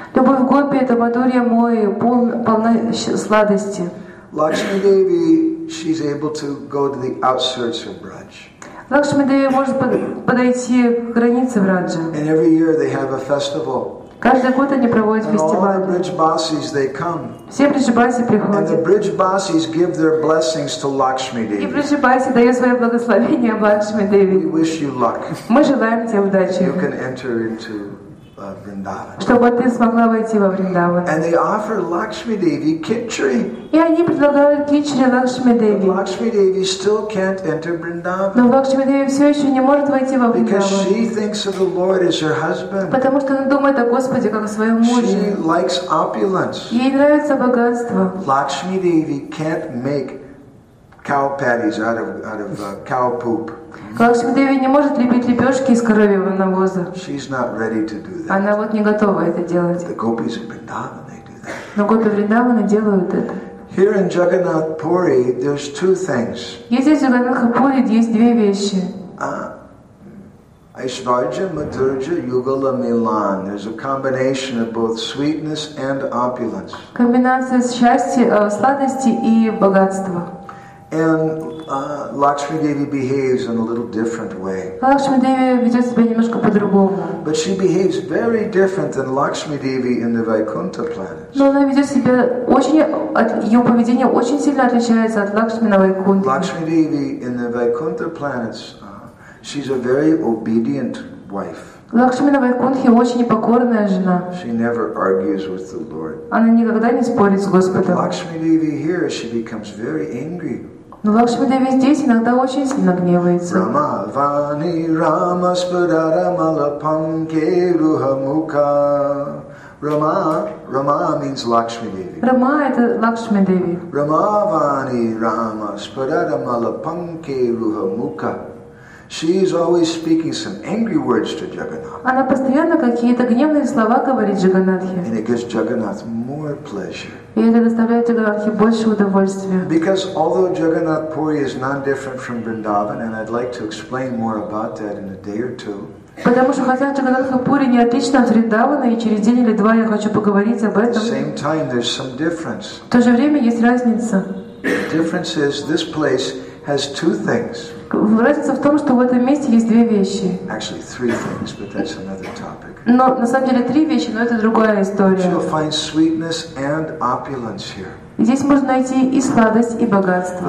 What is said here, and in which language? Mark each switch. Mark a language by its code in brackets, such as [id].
[ru] Любовь гопи — это мадурья мой, полна сладости. [en] Lakshmi Devi, she's able to go to the outskirts of Braj. [ru] Лакшми Деви может подойти к границе Браджа. [en] And every year they have a festival. [ru] Каждый год они проводят фестиваль. [en] And all the Bridgebasis, they come. [ru] Все Бриджбаси приходят. [en] And the Bridgebasis give their blessings to Lakshmi Devi. [ru] И Бриджбаси дают свои благословения Лакшми Деви. [en] We wish you luck. [ru] Мы желаем тебе удачи. [en] You can enter into Vrindavan. [ru] Чтобы ты смогла войти во Вриндаван. [en] And they offer Lakshmi Devi khichdi. [ru] И они предлагают кичри Лакшми Деви. [en] But Lakshmi Devi still can't enter Vrindavan. [ru] Но Лакшми Деви все еще не может войти во Вриндаван. [en] Because she thinks of the Lord as her husband. [ru] Потому что она думает о Господе как о своем муже. [en] She likes opulence. [ru] Ей нравится богатство. [en] Lakshmi Devi can't make cow patties out of cow poop. [ru] Лакшми Деви не может лепить лепешки из коровьего навоза. [en] She's not ready to do that. [ru] Она вот не готова это делать. [en] The gopis in Vrindavan, they do that. [ru] Но гопи Вриндаваны делают это. [en] Here in Jagannath Puri, there's two things. [ru] Здесь, в Джаганнатха Пури, есть две вещи. [sa] Aishvarja, Madhurja, Yugala, Milan. [en] There's a combination of both sweetness and opulence. [ru] Комбинация счастья, сладости и богатства. [en] And Lakshmi Devi behaves in a little different way. [ru] Лакшми Деви ведет себя немножко по-другому. [en] But she behaves very different than Lakshmi Devi in the Vaikuntha planets. [ru] Но она ведет себя очень, ее поведение очень сильно отличается от Лакшми на Вайкунте. [en] Lakshmi Devi in the Vaikuntha planets, she's a very obedient wife. [ru] Лакшми на Вайкунтхе очень непокорная жена. [en] She never argues with the Lord. [ru] Она никогда не спорит с Господом. [en] But Lakshmi Devi here, she becomes very angry. [ru] Но Лакшми Деви здесь иногда очень сильно гневается. [sa] Рама вани рама спадара малапанке рухамука. [en] Рама, рама means Lakshmi Devi. [ru] Рама — это Лакшми Деви. [sa] Рама вани рама спадара малапанке рухамука. [en] She is always speaking some angry words to Jagannath. [ru] Она постоянно какие-то гневные слова говорит Джаганнатхе. [en] And it gives Jagannath more pleasure. [ru] И это доставляет Джаганнатхе больше удовольствия. [en] Because although Jagannath Puri is non-different from Vrindavan, and I'd like to explain more about that in a day or two. [ru] Потому что хотя Джаганнатха Пури не отлично от Вриндавана, и через день или два я хочу поговорить об этом. [en] At the same time, there's some difference. [ru] В то же время есть разница. [en] The difference is this place has two things. [ru] Разница в том, что в этом месте есть две вещи. [en] Actually, three things, but that's another topic. [ru] Но на самом деле три вещи, но это другая история. [en] You'll find sweetness and opulence here. [ru] Здесь можно найти и сладость, и богатство.